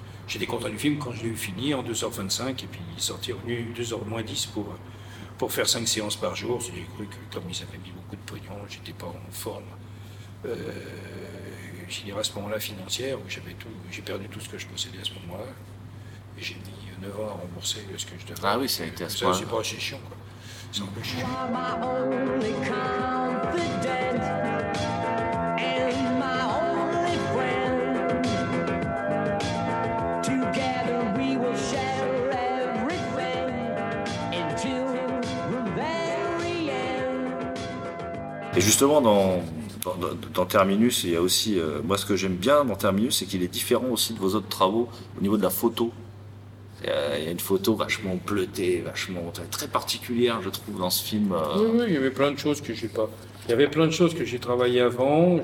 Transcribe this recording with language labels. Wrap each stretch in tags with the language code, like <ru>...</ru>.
<fr>J'étais content du film quand je l'ai eu fini en 2h25 et puis il est sorti revenu 2h10 pour faire 5 séances par jour. J'ai cru que comme ils avaient mis beaucoup de pognon, j'étais pas en forme. J'ai dit à ce moment-là financière où j'avais tout, j'ai perdu tout ce que je possédais à ce moment-là. Et j'ai mis 9 ans à rembourser ce que je devais. Ah oui, ça a été à ce moment-là. C'est pas assez chiant, quoi. C'est un peu chiant.</fr> <en>You're my only confident and my only friend. Together we will share everything until the very end.</en> <fr>Et justement, dans Terminus, il y a aussi moi, ce que j'aime bien dans Terminus, c'est qu'il est différent aussi de vos autres travaux au niveau de la photo. Il y a une photo vachement bleutée, vachement très particulière, je trouve, dans ce film. Oui, il y avait plein de choses que j'ai pas. Il y avait plein de choses que j'ai travaillé avant.</fr>